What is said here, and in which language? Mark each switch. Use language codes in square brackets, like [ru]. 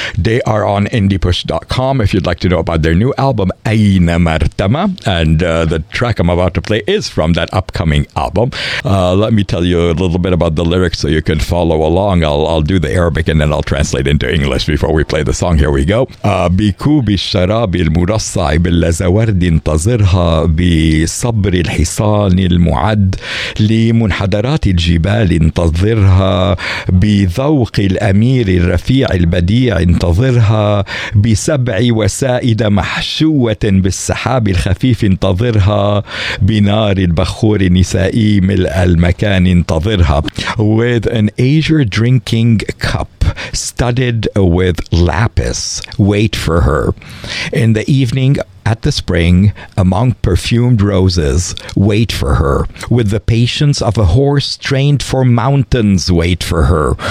[en] They are on indiepush.com if you'd like to know about their new album Aina Martama, and the track I'm about to play is from that upcoming album. Let me tell you a little bit about the lyrics so you can follow along. I'll do the Arabic and then I'll translate into English before we play the song. Here we go. [ar] Biku بالشراب المرصع باللزورد انتظرها بصبر الحصان المعد لمنحدرات الجبال انتظرها بذوق الأمير الرفيع البديع انتظرها بسبع وسائد محشوة بالسحاب الخفيف انتظرها بنار البخور النسائي ملء المكان انتظرها. [en] With an azure drinking cup studded with lapis, wait for her. In the evening, at the spring, among perfumed roses, wait for her. With the patience of a horse trained for mountains, wait for her.